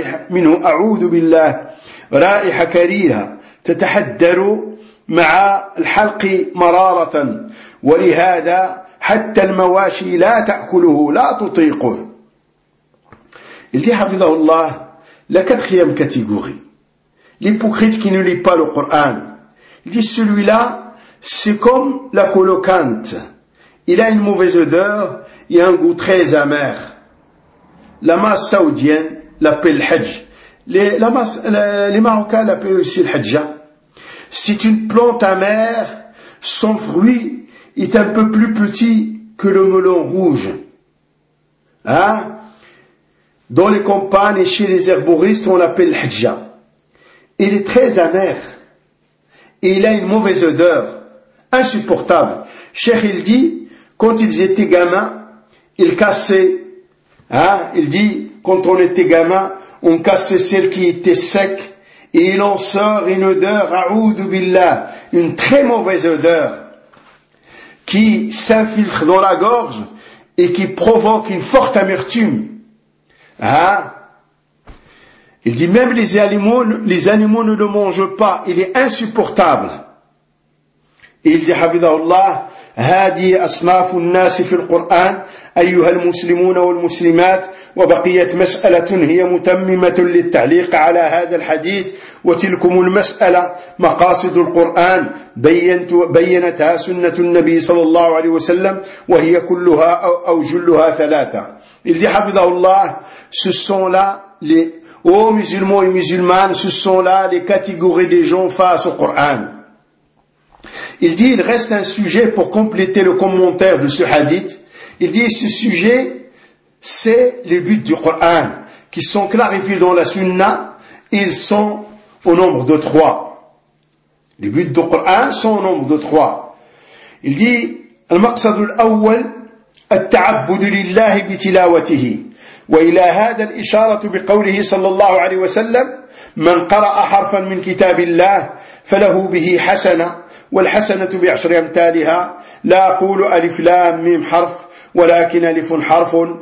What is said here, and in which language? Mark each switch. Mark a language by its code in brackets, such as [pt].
[ar] منه أعوذ بالله رائحة كريهة تتحدر مع الحلق مرارة ولهذا حتى المواشي لا تأكله لا تطيقه اللي حفظه الله [fr] La quatrième catégorie, l'hypocrite qui ne lit pas le Coran, dit celui-là, c'est comme la colocante. Il a une mauvaise odeur et un goût très amer. La masse saoudienne l'appelle Hajj. Les Marocains l'appellent aussi le Hajja. C'est une plante amère, son fruit est un peu plus petit que le melon rouge. Hein? Dans les campagnes et chez les herboristes, on l'appelle l'hajja. Il est très amer. Et il a une mauvaise odeur. Insupportable. Cheikh, il dit, quand ils étaient gamins, ils cassaient. Hein, il dit, quand on était gamin, on cassait celle qui était sec. Et il en sort une odeur, a'oudou billah, une très mauvaise odeur, qui s'infiltre dans la gorge et qui provoque une forte amertume. Hein? Il dit même les animaux ne le mangent pas, il est insupportable. Il dit Hafidhahullah, [ar] هذه أصناف الناس في القرآن أيها المسلمون والمسلمات وبقية مسألة هي متممة للتعليق على هذا الحديث وتلكم المسألة مقاصد القرآن بينتها سنة النبي صلى الله عليه وسلم وهي كلها أو جلها ثلاثة. [fr] Il dit, Habidahullah, ce sont là les, ô musulmans et musulmanes, ce sont là les catégories des gens face au Coran. Il dit, il reste un sujet pour compléter le commentaire de ce hadith. Il dit, ce sujet, c'est les buts du Coran, qui sont clarifiés dans la sunna, et ils sont au nombre de trois. Les buts du Coran sont au nombre de trois. Il dit, [ar] al-maqsad al-awwal, التعبد لله بتلاوته وإلى هذا الإشارة بقوله صلى الله عليه وسلم من قرأ حرفا من كتاب الله فله به حسنة والحسنة بعشر أمثالها لا أقول ألف لام ميم حرف ولكن ألف حرف